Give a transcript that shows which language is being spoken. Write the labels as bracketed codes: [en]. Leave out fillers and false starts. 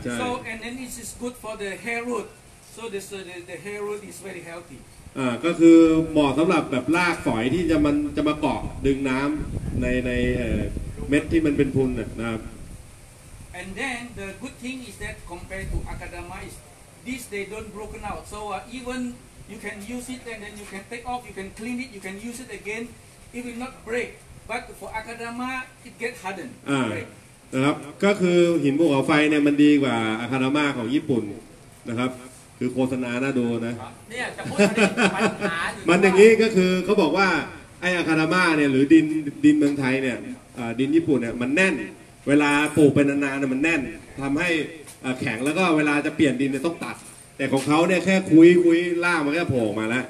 [en] so and then it is good for the hair root so the hair root is very healthy [th] ก็คือเหมาะสำหรับแบบรากฝอยที่จะมันจะมาเกาะดึงน้ำในเม็ดที่มันเป็นพุนนะครับ [en] and then the good thing is that compared to academia is this they don't broken out so even you can use it and then you can take off you can clean it you can use it again it will not break but for academia it get hardened [th] นะครับก็คือหินภูเขาไฟเนี่ยมันดีกว่าอาคาดามาของญี่ปุ่นนะครับคือโฆษณาน่าดูนะ เนี่ยจะพู ด ปัญหาอยู่มันอย่างนี้ก็คือเขาบอกว่าไออาคาดามาเนี่ยหรือดินเมืองไทยเนี่ยดินญี่ปุ่นเนี่ยมันแน่นเวลาปลูกไปนานๆเนี่ยมันแน่นทำให้แข็งแล้วก็เวลาจะเปลี่ยนดินเนี่ยต้องตัดแต่ของเขาเนี่ยแค่คุยล่ามันก็โผล่มาแล้ว